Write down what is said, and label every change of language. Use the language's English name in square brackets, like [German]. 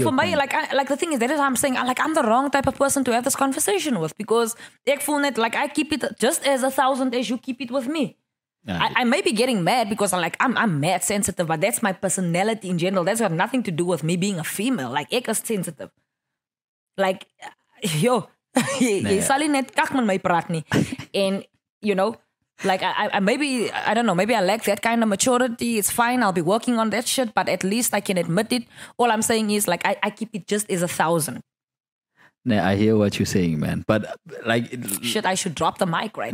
[English] for me, like the thing is, that is how I'm saying, like, I'm the wrong type of person to have this conversation with, because [Afrikaans] ek voel net, [English] like, I keep it just as 1,000 as you keep it with me. I may be getting mad because I'm like, I'm mad sensitive, but that's my personality in general. That's got nothing to do with me being a female. Like, [Afrikaans] ek is [English] sensitive. [Afrikaans] Like, yo, jy sal nie net kak met my praat nie. [English] And, you know, like, I lack that kind of maturity. It's fine. I'll be working on that shit, but at least I can admit it. All I'm saying is, like, I keep it just as 1,000. Nah, I hear what you're saying, man. But like, shit, I should drop the mic right